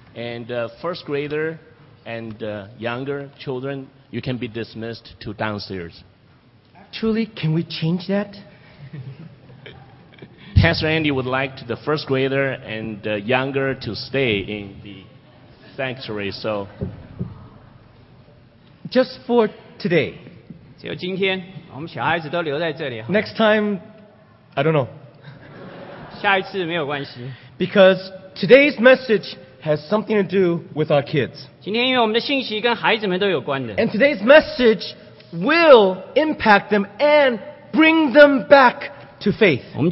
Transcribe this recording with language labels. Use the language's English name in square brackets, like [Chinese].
[English] And first grader and younger children, you can be dismissed to downstairs. Actually, can we change that? Pastor Andy would like the first grader and younger to stay in the sanctuary, so... Just for today. [Chinese] 只有今天, 我们小孩子都留在这里, [English] Next time, I don't know. [Chinese] 下一次没有关系。 [English] Because today's message has something to do with our kids. [Chinese] 今天因为我们的信息跟孩子们都有关的。 [English] And today's message will impact them and bring them back to faith.